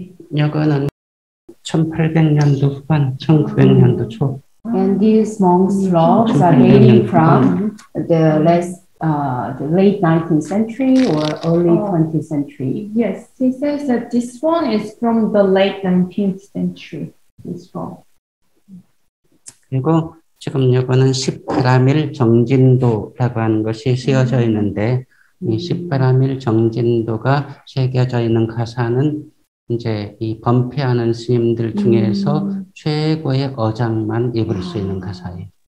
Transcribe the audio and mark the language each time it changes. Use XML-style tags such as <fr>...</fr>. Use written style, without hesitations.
<ko>이거는 1800년도 후반, 1900년도 초.</ko> <en>And these monk's robes are dating from the late 19th century or early 20th century. Yes, he says that this one is from the late 19th century. This robe.</en> <ko>그리고 지금 이거는 18일 정진도라고 하는 것이 쓰여져 있는데. 이 18일 정진도가 새겨져 있는 가사는 이제 이 범패하는 스님들 중에서 최고의 어장만 입을 수 있는 가사예요.</ko>